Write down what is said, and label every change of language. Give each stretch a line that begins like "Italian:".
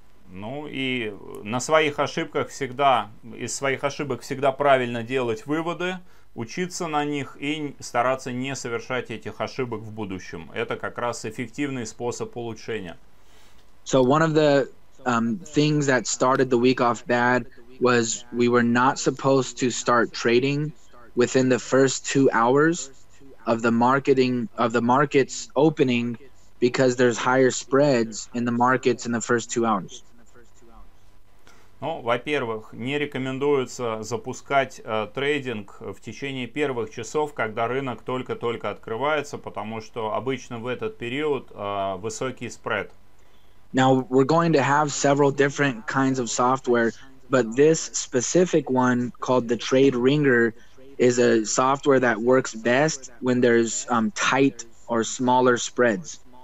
Russian: Ну и на своих ошибках всегда, из своих ошибок всегда правильно делать выводы, учиться на них и стараться не совершать этих ошибок в будущем. Это как раз эффективный способ улучшения.
English: So one of the things that started the week off bad was we were not supposed to start trading within the first 2 hours of the marketing of the markets opening, because there's higher spreads in the markets in the first 2 hours.
Russian: Ну, во-первых, не рекомендуется запускать трейдинг в течение первых часов, когда рынок только-только открывается, потому что обычно в этот период высокий спред.
English: Now we're going to have several different kinds of software, but this specific one called the Trade Ringer is a software that works best when there's tight or smaller spreads.